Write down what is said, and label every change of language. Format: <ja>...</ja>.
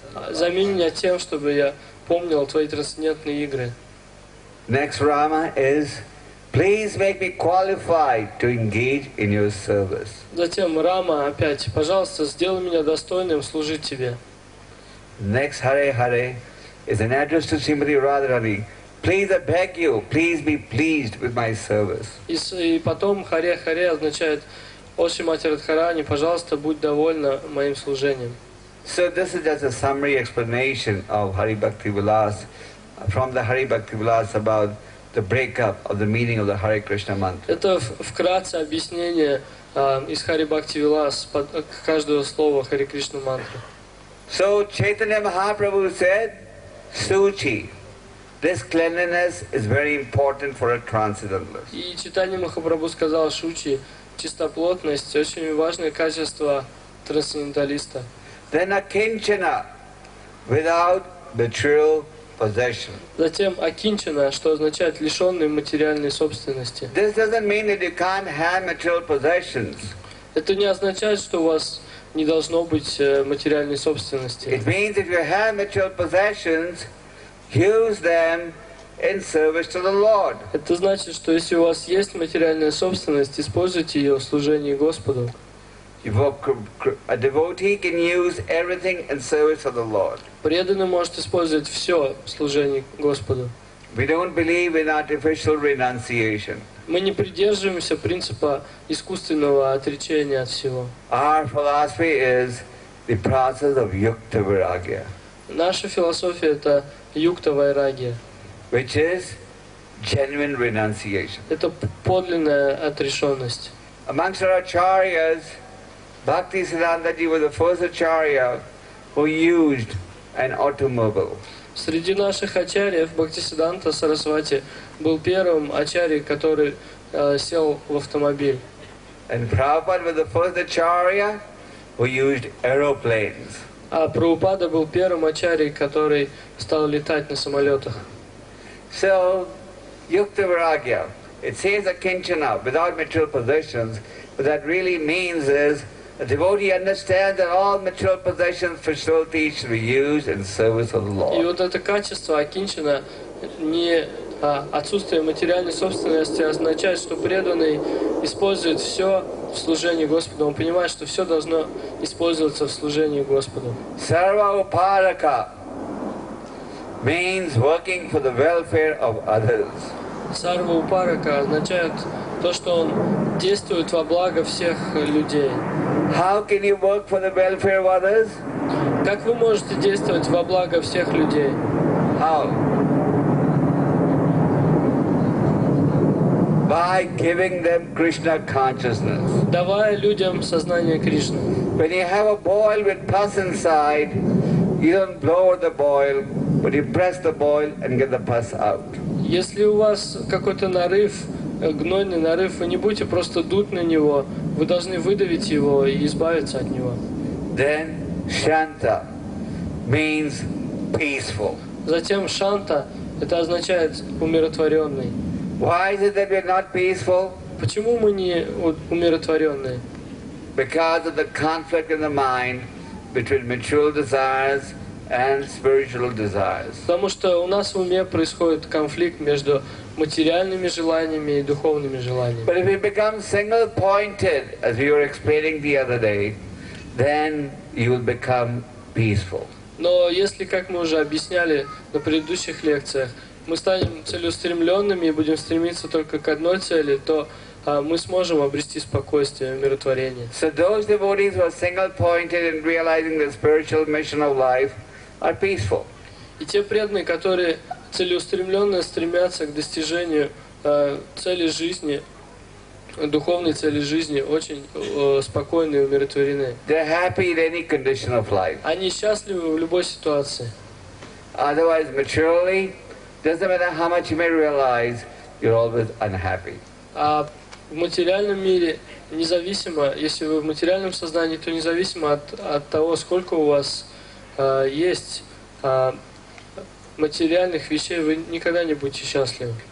<ru>Займи меня тем, чтобы я помнил твои трансцендентные игры.</ru> <en>Next Rama is, please make me qualified to engage in your service.</en> <ru>Затем Рама опять, пожалуйста, сделай меня достойным служить тебе.</ru> <en>Next Hare Hare is an address to Srimati Radharani. Please, I beg you, please be pleased with my service.</en> <ru>И потом Hare Hare означает, О Шримати Радхарани, пожалуйста, будь довольна моим служением.</ru> <en>So this is just a summary explanation of Hari Bhakti Vilas, from the Hari Bhakti Vilas about the breakup of the meaning of the Hare Krishna mantra.</en> <ru>Это вкратце объяснение из Хари Бхакти Вилас к каждому слову Хари Кришна мантры.</ru> <en>So Chaitanya Mahaprabhu said, Suchi, this cleanliness is very important for a transcendentalist.</en> <ru>И Чайтанья Махапрабху сказал, Шучи, чистоплотность очень важное качество трансценденталиста.</ru> <en>Then akinchana, without material possession.</en> <ru>Затем akinchana, что означает лишённый материальной собственности.</ru> <en>This doesn't mean that you can't have material possessions.</en> <ru>Это не означает, что у вас не должно быть материальной собственности.</ru> <en>It means if you have material possessions, use them in service to the Lord.</en> <ru>Это значит, что если у вас есть материальная собственность, используйте её в служении Господу.</ru> <en>A devotee can use everything in service of the Lord.</en> <ru>Преданный может использовать все в служении Господу.</ru> <en>We don't believe in artificial renunciation.</en> <ru>Мы не придерживаемся принципа искусственного отречения от всего.</ru> <en>Our philosophy is the process of yukta vairagya.</en> <ru>Наша философия это yukta vairagya,</ru> <en>which is genuine renunciation.</en> <ru>Это подлинная отрешенность.</ru> <en>Amongst our acharyas. Bhakti Siddhanta Ji was the first acharya who used an automobile.</en> <ru>Среди наших ачарьев Бхакти Сиддханта Сарасвати был первым ачарьей, который сел в автомобиль.</ru> <en>And Prabhupada was the first acharya who used aeroplanes.</en> <ru>А Прабхупада был первым ачарьей, который стал летать на самолетах.</ru> <en>So, yukta vairagya, it says akinchana without material possessions, what that really means is a devotee understands that all material possessions, facilities should be used in service of the Lord.</en> <ru>И вот это качество акинчана, не отсутствие материальной собственности, означает, что преданный использует все в служении Господу. Он понимает, что все должно использоваться в служении Господу.</ru> <en>Sarva uparaka means working for the welfare of others.</en> <ru>Sarva uparaka означает то, что он действует во благо всех людей.</ru> <en>How can you work for the welfare of others?</en> <ru>Как вы можете действовать во благо всех людей?</ru> <en>How? By by giving them Krishna consciousness.</en> <ru>Давая людям сознание Кришны.</ru> <en>When you have a boil with pus inside, you don't blow the boil, but you press the boil and get the pus out.</en> <ru>Если у вас какой-то нарыв, гнойный нарыв, вы не будете просто дуть на него, вы должны выдавить его и избавиться от него.</ru> <en>Then Shanta means peaceful.</en> <ru>Затем Шанта это означает умиротворенный.</ru> <en>Why is it that we are not peaceful?</en> <ru>Почему мы не умиротворенные?</ru> <en>Because of the conflict in the mind between material desires and spiritual desires.</en> <ru>Потому что у нас в уме происходит конфликт между материальными желаниями и духовными желаниями.</ru> <en>But if we become single-pointed, as we were explaining the other day, then you will become peaceful.</en> <ru>Но если, как мы уже объясняли на предыдущих лекциях, мы станем целеустремленными и будем стремиться только к одной цели, то мы сможем обрести спокойствие и умиротворение.</ru> <en>So those devotees who are single-pointed in realizing the spiritual mission of life are peaceful.</en> <ru>И те преданные, которые целеустремленно стремятся к достижению цели жизни, духовной цели жизни, очень спокойны и умиротворены.</ru> <en>They're happy in any condition of life.</en> <ru>Они счастливы в любой ситуации.</ru> <en>Otherwise, maturely, doesn't matter how much you may realize, you're always unhappy.</en> <ru>А в материальном мире, независимо, если вы в материальном сознании, то независимо от того, сколько у вас есть материальных вещей, вы никогда не будете счастливы.</ru>